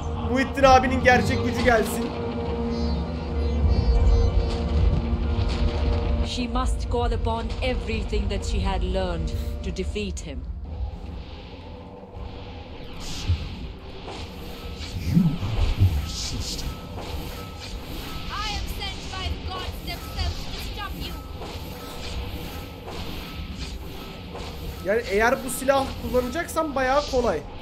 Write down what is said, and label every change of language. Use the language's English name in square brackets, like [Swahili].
[Turkish] Muhittin abinin gerçek gücü gelsin. [English] She must call upon everything that she had learned to defeat him. You are my sister. I am sent by the gods themselves to stop you. [Turkish] Yani eğer bu silah kullanacaksan bayağı kolay.